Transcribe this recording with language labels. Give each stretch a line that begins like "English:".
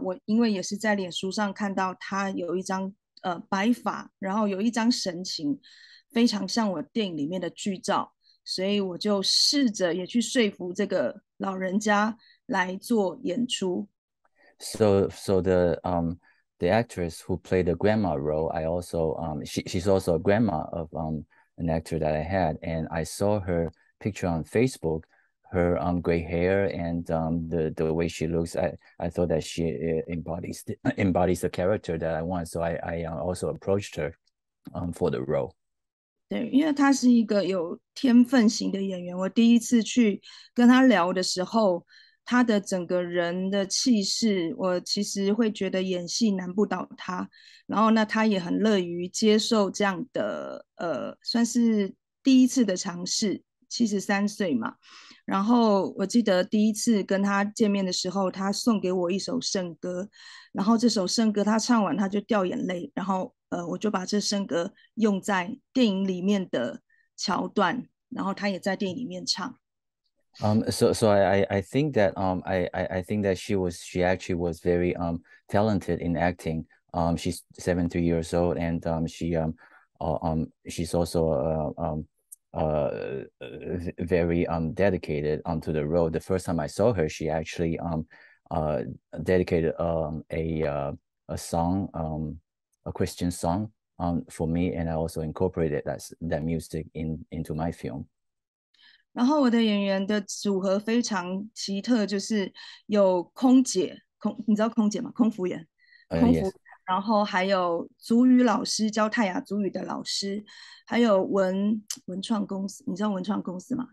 Chinese: 我因为也是在脸书上看到她有一张白发，然后有一张神情非常像我电影里面的剧照，所以我就试着也去说服这个老人家来做演出。
English: So the the actress who played the grandma role, I also she's also a grandma of an actor that I had, and I saw her picture on Facebook, her gray hair and the way she looks, I thought that she embodies the character that I want, so I also approached her for the role.
Chinese: 对，因为她是一个有天分型的演员，我第一次去跟她聊的时候，他的整个人的气势，我其实会觉得演戏难不倒他，然后那他也很乐于接受这样的算是第一次的尝试，73岁嘛，然后我记得第一次跟他见面的时候，他送给我一首圣歌，然后这首圣歌他唱完他就掉眼泪，然后我就把这圣歌用在电影里面的桥段，然后他也在电影里面唱。
English: So I think that I think that she actually was very talented in acting. She's 73 years old, and she's also very dedicated to the role. The first time I saw her, she actually dedicated a song, a Christian song for me, and I also incorporated that music into my film.
Chinese: 然后我的演员的组合非常奇特，就是有空姐，你知道空姐吗？空服员，空服员，然后还有族语老师，教泰雅族语的老师，还有文创公司，你知道文创公司吗？